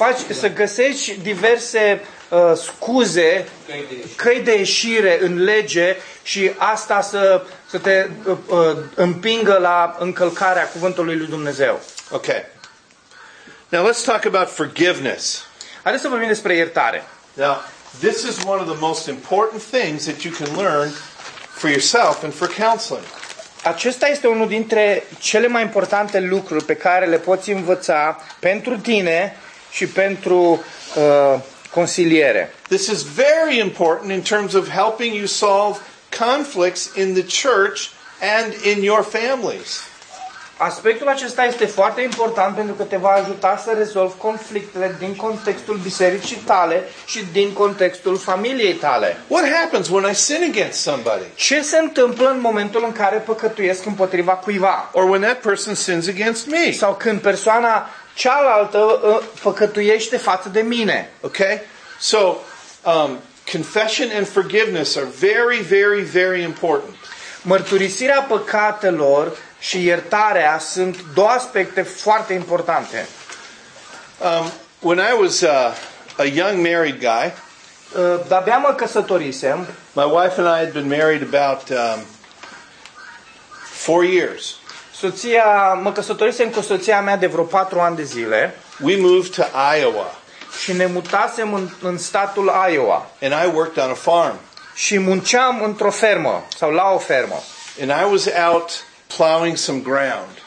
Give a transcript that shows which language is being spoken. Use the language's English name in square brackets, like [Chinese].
[Romanian] Să găsești diverse scuze, căi de ieșire în lege și asta să te împingă la încălcarea cuvântului lui Dumnezeu. [English] Okay. Now let's talk about forgiveness. [Romanian] Haideți să vorbim despre iertare. [English] Now, this is one of the most important things that you can learn for yourself and for counseling. [Romanian] Acesta este unul dintre cele mai importante lucruri pe care le poți învăța pentru tine și pentru consiliere. [English] This is very important in terms of helping you solve conflicts in the church and in your families. [Romanian] Aspectul acesta este foarte important pentru că te va ajuta să rezolvi conflictele din contextul bisericii tale și din contextul familiei tale. [English] What happens when I sin against somebody? [Romanian] Ce se întâmplă în momentul în care păcătuiesc împotriva cuiva? [English] Or when that person sins against me? [Romanian] Sau când persoana cealaltă păcătuiește față de mine. [English] Okay? So, confession and forgiveness are very, very, very important. [Romanian] Mărturisirea păcatelor și iertarea sunt două aspecte foarte importante. [English] When I was a young married guy, [Romanian] de-abia mă căsătorisem. [English] My wife and I had been married about 4 years. [Romanian] Soția, mă căsătorisem cu soția mea de vreo 4 ani de zile. [English] We moved to Iowa. [Romanian] Și ne mutasem în statul Iowa. [English] And I worked on a farm. [Romanian] Și munceam într-o fermă sau la o fermă. [English] And I was out plowing some ground.